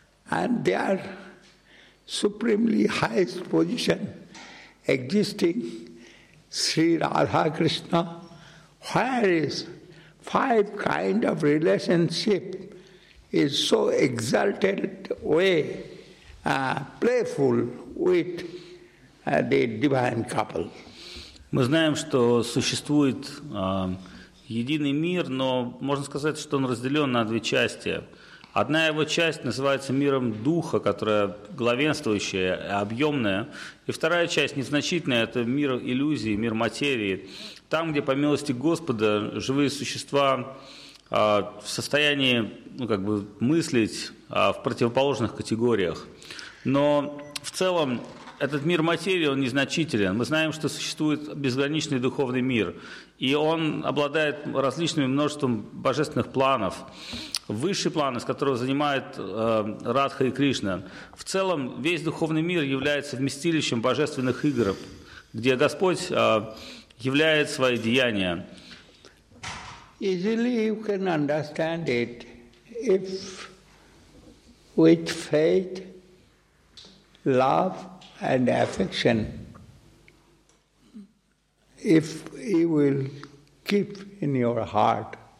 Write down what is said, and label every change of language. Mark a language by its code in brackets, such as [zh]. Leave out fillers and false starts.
[en] and their supremely highest position existing, Sri Radha Krishna, where is five kind of relationship is so exalted way, playful with the divine couple. [ru] Мы знаем, что существует единый мир, но можно сказать, что он разделен на две части. Одна его часть называется миром духа, которая главенствующая, объемная. И вторая часть, незначительная, это мир иллюзий, мир материи. Там, где по милости Господа живые существа в состоянии мыслить в противоположных категориях. Но в целом этот мир материи, он незначителен. Мы знаем, что существует безграничный духовный мир, и он обладает различным множеством божественных планов. Высший план, из которого занимают Радха и Кришна. В целом, весь духовный мир является вместилищем божественных игр, где Господь являет свои деяния. [en] Easily you can understand it if with faith, love and affection, if you will keep in your heart.